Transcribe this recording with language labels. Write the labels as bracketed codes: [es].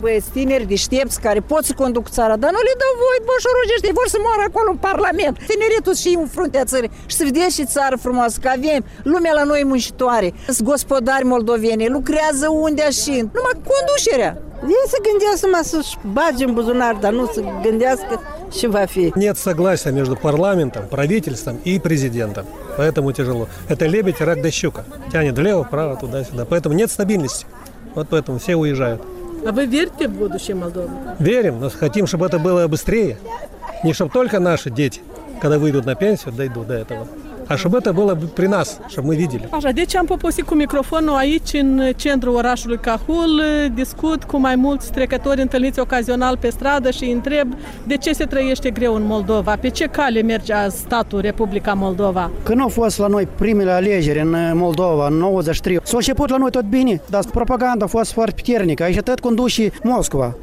[ro] Băi, tineri deștepți care pot să conduc țara, dar nu le dau voie, băsorojii ăștia, vor să moară acolo în parlament. Tineretul și în fruntea țării. Și să vedeți și țară frumoasă, că avem lumea la noi muncitoare. Sunt gospodari moldoveni, lucrează unde și numai conducerea. Ei se gândească mă să-și bage în buzunar, dar nu se gândească și va fi. [ru] Нет согласия между парламентом, правительством и президентом. Поэтому тяжело. Это лебедь, рак да щука. Тянет влево, вправо, туда-сюда. Поэтому нет стабильности. Вот поэтому все уезжают. А вы верите в будущее Молдовы? Верим, но хотим, чтобы это было быстрее. Не чтобы только наши дети, когда выйдут на пенсию, дойдут до этого. а чтобы это было при нас, чтобы мы видели. [ro] Așa, deci am poposit cu microfonul aici în centrul orașului Cahul, discut cu mai mulți trecători întâlniți ocazional pe stradă și îi întreb de ce se trăiește greu în Moldova, pe ce cale merge statul Republica Moldova. Când au fost la noi primele alegeri în Moldova, în 93, s-a început la noi tot bine, dar propaganda a fost foarte puternică, aici tot conduce Moscova.